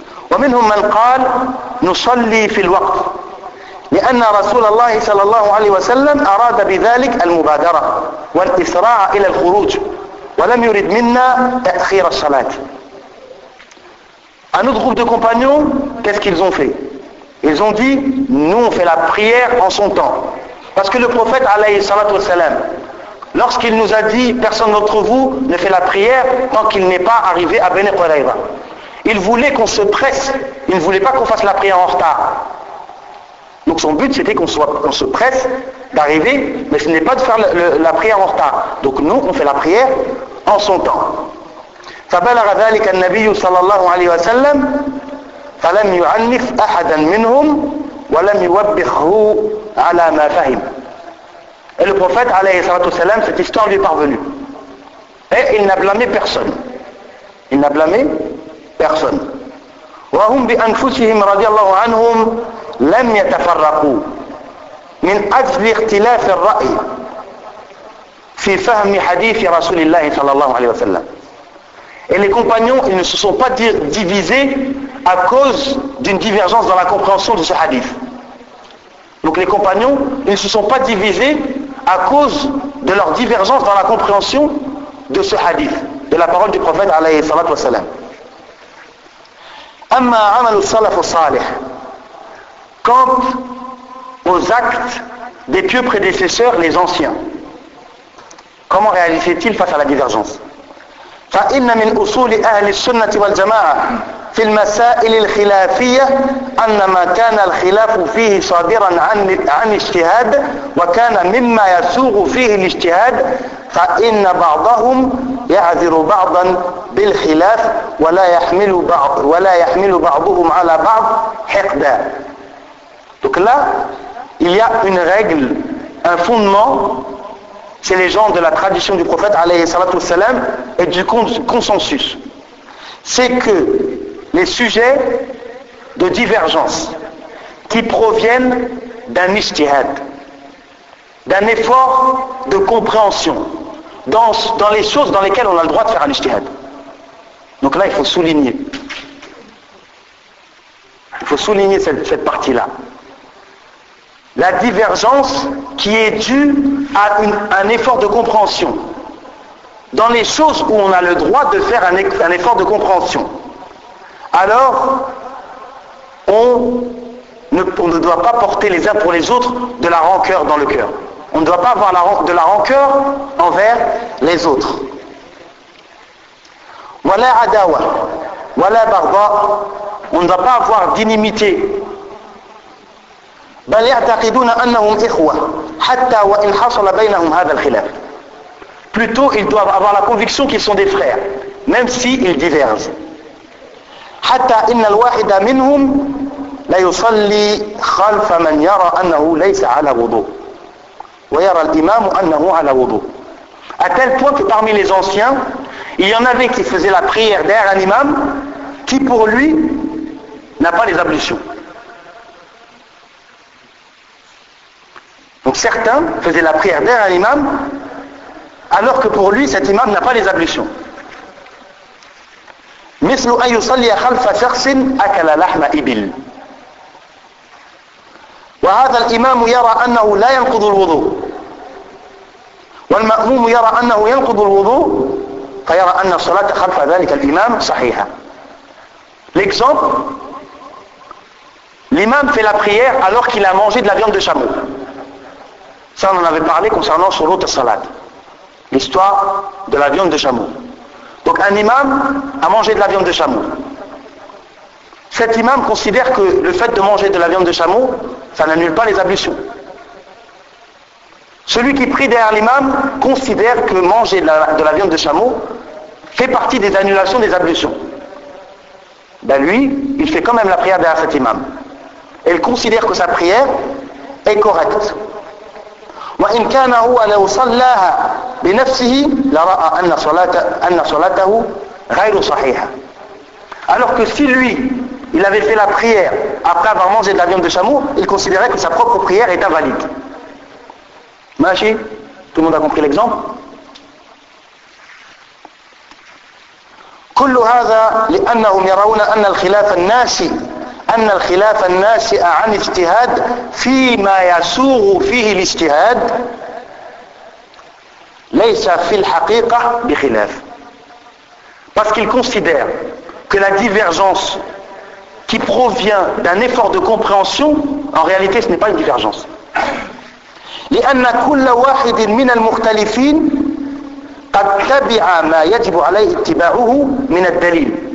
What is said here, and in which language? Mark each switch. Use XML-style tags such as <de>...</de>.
<ar>ومنهم من قال نصلي في الوقت لأن رسول الله صلى الله عليه وسلم أراد بذلك المبادرة والإسراع إلى الخروج ولم يرد منا تأخير الصلاة.</ar> <fr>Un autre groupe de compagnons, qu'est-ce qu'ils ont fait? Ils ont dit, nous on fait la prière en son temps. Parce que le prophète,</fr> <ar>alayhi salatu wasalam,</ar> <fr>lorsqu'il nous a dit, personne d'entre vous ne fait la prière tant qu'il n'est pas arrivé à Bani Qurayza, il voulait qu'on se presse, il ne voulait pas qu'on fasse la prière en retard. Donc son but c'était qu'on se presse d'arriver, mais ce n'est pas de faire la prière en retard. Donc nous on fait la prière en son temps.</fr> <ar>فبلغ ذلك النبي صلى الله عليه وسلم فلم يعنف أحدا منهم ولم يوبخه على ما فهم.</ar> <fr>Et le prophète</fr> <ar>عليه الصلاة والسلام,</ar> <fr>cette histoire lui est parvenue. Et il n'a blâmé personne. Il n'a blâmé personne.</fr> <ar>وهم بأنفسهم رضي الله عنهم لم يتفرقوا من أجل اختلاف الرأي في فهم حديث رسول الله صلى الله عليه وسلم.</ar> <fr>Et les compagnons, ils ne se sont pas divisés à cause d'une divergence dans la compréhension de ce hadith. Donc les compagnons, ils ne se sont pas divisés à cause de leur divergence dans la compréhension de ce hadith, de la parole du prophète,</fr> <ar>alayhi salatu wasalam. Amma amal salaf salih.</ar> <fr>Quant aux actes des pieux prédécesseurs, les anciens, comment réalisaient-ils face à la divergence?</fr> <ar>فإن من أصول أهل السنة والجماعة في المسائل الخلافية أن ما كان الخلاف فيه صادرا عن اجتهاد وكان مما يسوغ فيه الاجتهاد فإن بعضهم يعذر بعضا بالخلاف ولا يحمل بعضهم على بعض حقدا.</ar> <fr>Donc là, il y a une règle, un fondement. C'est les gens de la tradition du prophète</fr> <ar>alayhi salatu wasalam</ar> <fr>et du consensus. c'est que les sujets de divergence qui proviennent d'un ijtihad, d'un effort de compréhension dans les choses dans lesquelles on a le droit de faire un ijtihad. Donc là, il faut souligner. Il faut souligner cette partie-là. La divergence qui est due à un effort de compréhension dans les choses où on a le droit de faire un effort de compréhension. Alors, on ne doit pas porter les uns pour les autres de la rancœur dans le cœur. On ne doit pas avoir de la rancœur envers les autres.</fr> <ar>Wala adawa, wala barba,</ar> <fr>on ne doit pas avoir d'inimité.</fr> <ar>بل يعتقدون انهم اخوه حتى وان حصل بينهم هذا الخلاف.</ar> <fr>Plutôt ils doivent avoir la conviction qu'ils sont des frères même si ils divergent.</fr> <ar>حتى ان الواحد منهم لا يصلي خلف من يرى انه ليس على وضوء ويرى الامام انه على وضوء.</ar> <fr>À tel point que parmi les anciens il y en avait qui faisaient la prière derrière un imam qui pour lui n'a pas les ablutions. Donc certains faisaient la prière derrière l'imam, alors que pour lui, cet imam n'a pas les ablutions.</fr> <ar>مثل أن يصلي خلف شخص أكل لحم إبل. وهذا الإمام يرى أنه لا ينقض الوضوء. والمأموم يرى أنه ينقض الوضوء، فيرى أن الصلاة خلف ذلك الإمام صحيحة.</ar> <fr>L'exemple, l'imam fait la prière alors qu'il a mangé de la viande de chameau. Ça, on en avait parlé concernant Surat al-Salat, l'histoire de la viande de chameau. Donc un imam a mangé de la viande de chameau. Cet imam considère que le fait de manger de la viande de chameau, ça n'annule pas les ablutions. Celui qui prie derrière l'imam considère que manger de la viande de chameau fait partie des annulations des ablutions. Ben lui, il fait quand même la prière derrière cet imam. Et il considère que sa prière est correcte.</fr> <ar>وإن كان هو لو صلىها بنفسه لرأى أن صلاته غير صحيحة.</ar> <fr>Alors que si lui, il avait fait la prière après avoir mangé de la viande de chameau, il considérait que sa propre prière est invalide.</fr> <ar>ماشي؟</ar> <fr>Tout le monde a compris l'exemple؟</fr> <ar>كل هذا لأنهم يرون أن الخلاف الناشئ أن الخلاف الناشئ عن اجتهاد فيما يسوغ فيه الاجتهاد ليس في الحقيقة بخلاف.</ar> <fr>Parce qu'il considère que la divergence qui provient d'un effort de compréhension, en réalité ce n'est pas une divergence.</fr> <ar>لأن كل واحد من المختلفين قد تبع ما يجب عليه اتباعه من الدليل.</ar>